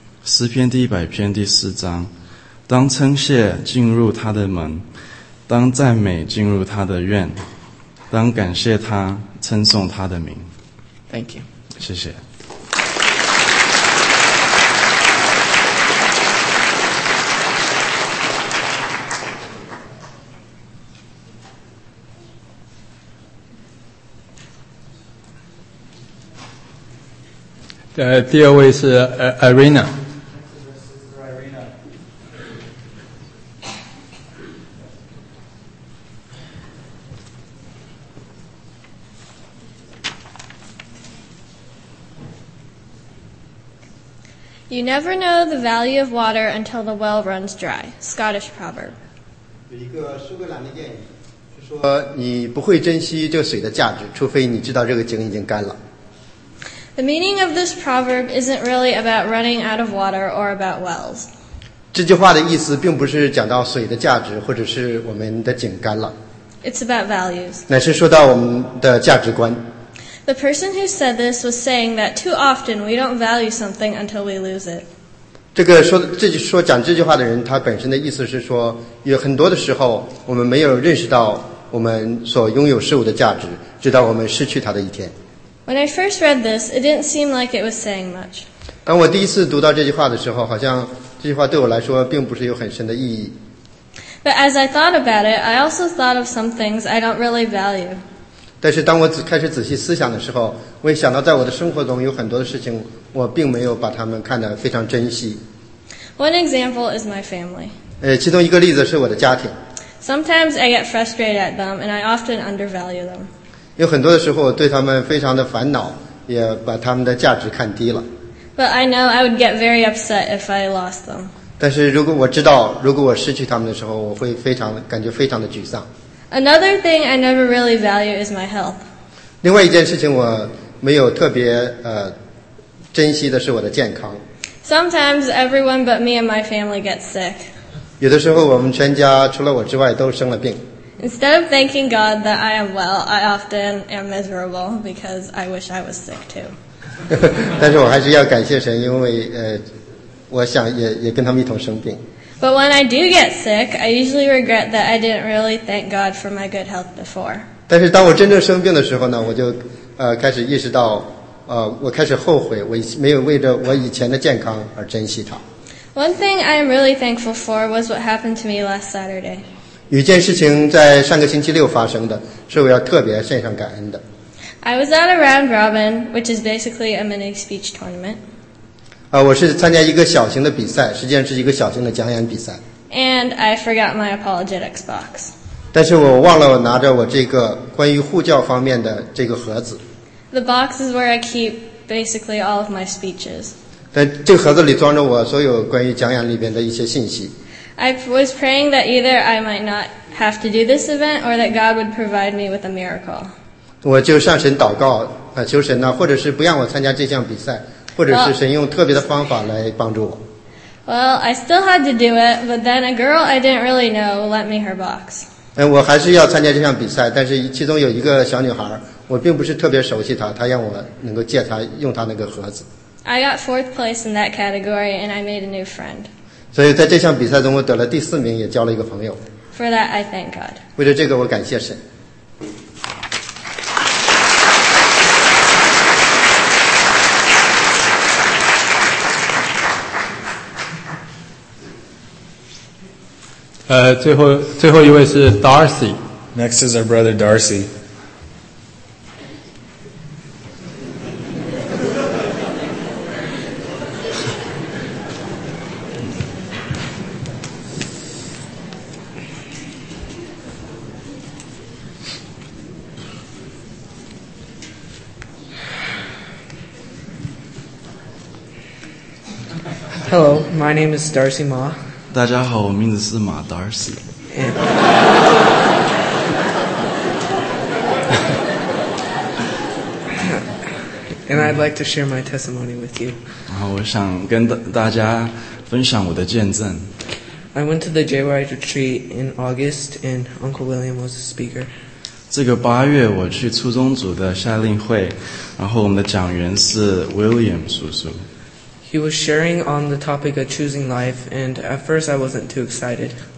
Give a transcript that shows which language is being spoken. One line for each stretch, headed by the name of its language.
Chinese: 诗篇第100篇第4章。当称谢进入他的门，当赞美进入他的院，当感谢他，称颂他的名。
English: Thank you.
Chinese: 谢谢。第二位是Irina。
English: You never know the value of water until the well runs dry. Scottish proverb.
Chinese: 有一个苏格兰的谚语，是说你不会珍惜这水的价值，除非你知道这个井已经干了。
English: The meaning of this proverb isn't really about running out of water or about wells.
Chinese: 这句话的意思并不是讲到水的价值或者是我们的井干了。
English: It's about values.
Chinese: 乃是说到我们的价值观。
English: The person who said this was saying that too often we don't value something until we lose it.
Chinese: 这句讲这句话的人他本身的意思是说有很多的时候我们没有认识到我们所拥有事物的价值直到我们失去它的一天。
English: When I first read this, it didn't seem like it was saying much.
Chinese: 当我第一次读到这句话的时候，好像这句话对我来说并不是有很深的意义。
English: But as I thought about it, I also thought of some things I don't really value.
Chinese: 但是当我开始仔细思想的时候，我也想到在我的生活中有很多的事情，我并没有把它们看得非常珍惜。
English: One example is my family.
Chinese: 其中一个例子是我的家庭。
English: Sometimes I get frustrated at them, and I often undervalue them.
Chinese: 有很多的时候对他们非常的烦恼也把他们的价值看低了。
English: But I know I would get very upset if I lost them.
Chinese: 但是如果我知道如果我失去他们的时候我会非常感觉非常的沮丧。
English: Another thing I never really value is my health.
Chinese: 另外一件事情我没有特别珍惜的是我的健康。
English: Sometimes everyone but me and my family gets sick.
Chinese: 有的时候我们全家除了我之外都生了病。
English: Instead of thanking God that I am well, I often am miserable because I wish I was sick too.
Chinese: 但是我还是要感谢神，因为我想也跟他们一同生病。
English: But when I do get sick, I usually regret that I didn't really thank God for my good health before.
Chinese: 但是当我真正生病的时候呢，我就开始意识到我开始后悔我没有为着我以前的健康而珍惜它。
English: One thing I am really thankful for was what happened to me last Saturday.
Chinese: 有一件事情在上个星期六发生的，是我要特别献上感恩的。
English: I was at a round robin, which is basically a mini speech tournament.
Chinese: 我是参加一个小型的比赛，实际上是一个小型的讲演比赛。
English: And I forgot my apologetics box.
Chinese: 但是我忘了我拿着我这个关于护教方面的这个盒子。
English: The box is where I keep basically all of my speeches.
Chinese: 但这个盒子里装着我所有关于讲演里边的一些信息。
English: I was praying that either I might not have to do this event or that God would provide me with a miracle.
Chinese: 我就向神祷告，求神呢，或者是不让我参加这项比赛，或者是神用特别的方法来帮助我。
English: Well, I still had to do it, but then a girl I didn't really know lent me her box.
Chinese: 我还是要参加这项比赛，但是其中有一个小女孩，我并不是特别熟悉她，她让我能够借她用她那个盒子。
English: I got fourth place in that category, and I made a new friend.
Chinese: 所以在这项比赛中，我得了第四名，也交了一个朋友。
English: For that, I thank God.
Chinese: 为了这个，我感谢神。最后一位是 Darcy.
English: Next is our brother Darcy. Hello, my name is Darcy Ma.
Chinese: 大家好，我名字是马 Darcy。
English: And I'd like to share my testimony with you.
Chinese: 然后我想跟大家分享我的见证。
English: I went to the JY retreat in August, and Uncle William was a speaker.
Chinese: 这个八月我去初中组的夏令会，然后我们的讲员是 William 叔叔。
English: He was sharing on the topic of choosing life, and at first I wasn't too excited.